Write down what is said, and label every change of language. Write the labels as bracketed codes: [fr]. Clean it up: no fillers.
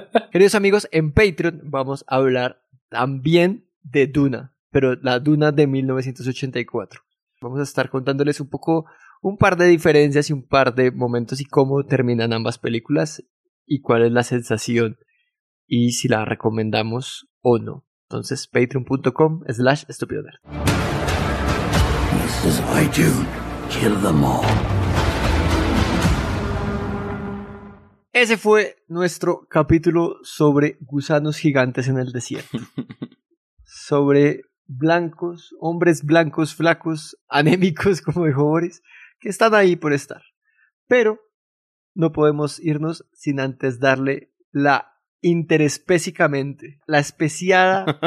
[es] Queridos amigos, en Patreon vamos a hablar también de Duna, pero la Duna de 1984. Vamos a estar contándoles un poco, un par de diferencias y un par de momentos y cómo terminan ambas películas y cuál es la sensación y si la recomendamos o no. Entonces, patreon.com/estupidonerd. [en] This is why you kill them all. [es] Ese fue nuestro capítulo sobre gusanos gigantes en el desierto. Sobre blancos, hombres blancos, flacos, anémicos, como dijo Boris, que están ahí por estar. Pero no podemos irnos sin antes darle la interespecíficamente, la especiada.